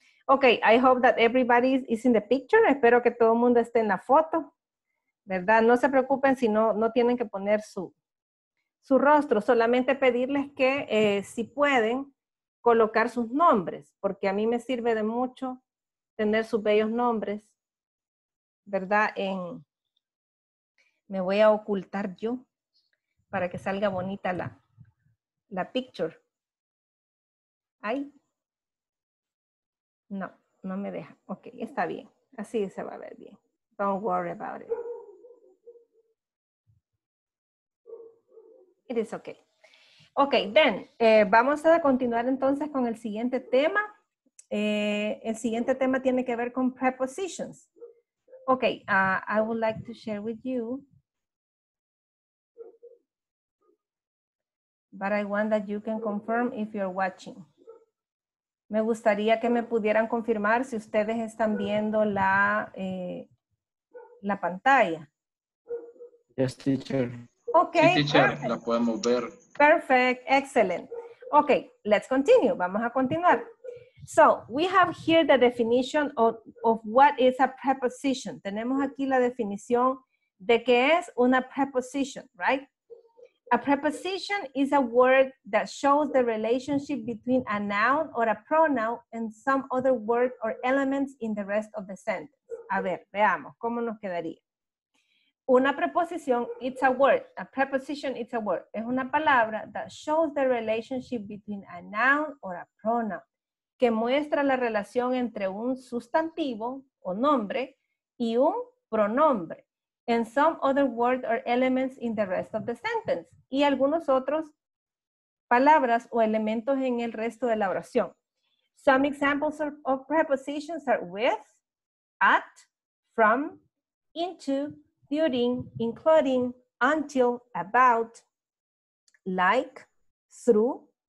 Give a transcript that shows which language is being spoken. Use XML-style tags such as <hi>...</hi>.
<en>Ok, I hope that everybody is in the picture.</en> <es>Espero que todo el mundo esté en la foto. ¿Verdad? No se preocupen si no tienen que poner su rostro. Solamente pedirles que si pueden colocar sus nombres. Porque a mí me sirve de mucho tener sus bellos nombres. ¿Verdad? Me voy a ocultar yo para que salga bonita la picture. ¿Ahí? No me deja. Ok, está bien. Así se va a ver bien.</es> <en>Don't worry about it. It is okay. Ok, then,</en> <es>vamos a continuar entonces con el siguiente tema. El siguiente tema tiene que ver con prepositions.</es> <en>Ok, I would like to share with you. But I want that you can confirm if you're watching.</en> <es>Me gustaría que me pudieran confirmar si ustedes están viendo la pantalla.</es> <en>Yes, teacher. Okay.</en> <es>Sí, teacher, perfect. La podemos ver.</es> <en>Perfect, excellent. Okay, let's continue.</en> <es>Vamos a continuar.</es> <en>So, we have here the definition of what is a preposition.</en> <es>Tenemos aquí la definición de qué es una preposition, right?</es> <en>A preposition is a word that shows the relationship between a noun or a pronoun and some other word or elements in the rest of the sentence.</en> <es>A ver, veamos, ¿cómo nos quedaría? Una preposición,</es> <en>it's a word. A preposition, it's a word.</en> <es>Es una palabra</es> <en>that shows the relationship between a noun or a pronoun.</en> <es>Que muestra la relación entre un sustantivo o nombre y un pronombre.</es> <en>And some other words or elements in the rest of the sentence.</en> <es>Y algunos otros palabras o elementos en el resto de la oración.</es> <en>Some examples of prepositions are with, at, from, into, during, including, until, about, like, through.</en>